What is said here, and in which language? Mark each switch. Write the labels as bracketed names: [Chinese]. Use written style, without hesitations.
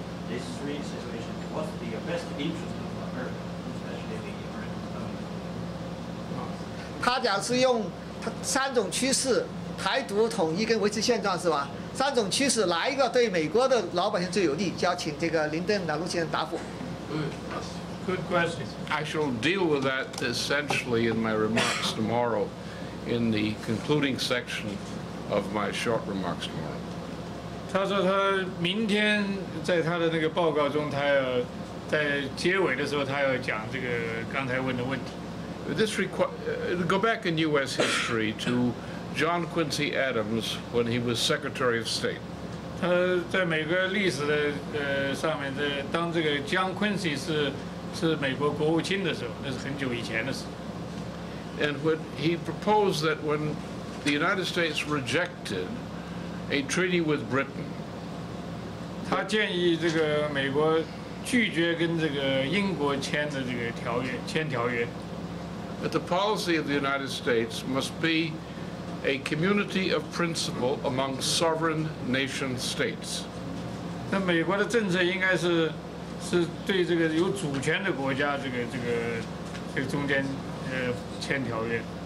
[English] These three situations, what's the best interest of America, especially the American government? [Chinese] 他讲是用三种趋势，台独、统一跟维持现状，是吧？三种趋势哪一个对美国的老百姓最有利，就要请这个林登老陆先生答复。 [English] Good question. I shall deal with that essentially in my remarks tomorrow, in the concluding section of my short remarks tomorrow. [Chinese] 他说他明天在他的那个报告中，他要在结尾的时候，他要讲这个刚才问的问题。 [English] This requires go back in U.S. history to John Quincy Adams when he was Secretary of State. [Chinese] 他在美国历史的上面的，当这个 John Quincy 是。是美国国务卿的时候，那是很久以前的事。 [English] And when he proposed that when the United States rejected a treaty with Britain, [Chinese] 他建议这个美国拒绝跟这个英国签的这个条约，签条约。 [English] That the policy of the United States must be a community of principle among sovereign nation states. [Chinese] 那美国的政策应该是。是对这个有主权的国家，这个中间，签条约。